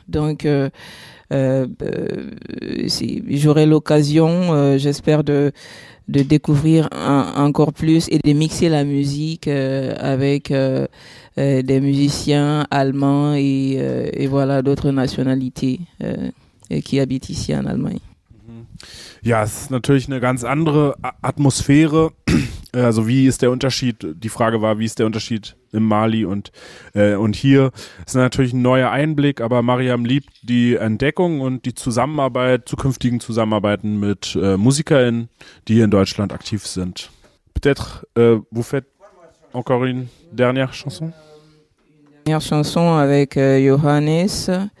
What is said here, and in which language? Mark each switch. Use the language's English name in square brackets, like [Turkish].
[French] Donc, si j'aurai l'occasion, j'espère de découvrir encore plus et de mixer la musique avec des musiciens allemands et voilà, d'autres nationalités qui habitent ici en Allemagne. [German] Ja, es ist natürlich eine ganz andere Atmosphäre. Also wie ist der Unterschied? Die Frage war, wie ist der Unterschied im Mali und hier? Es ist natürlich ein neuer Einblick, aber Mariam liebt die Entdeckung und die Zusammenarbeit, zukünftigen Zusammenarbeiten mit MusikerInnen, die hier in Deutschland aktiv sind. [French] Peut-être, vous faites encore une dernière chanson? Une dernière chanson avec Johannes.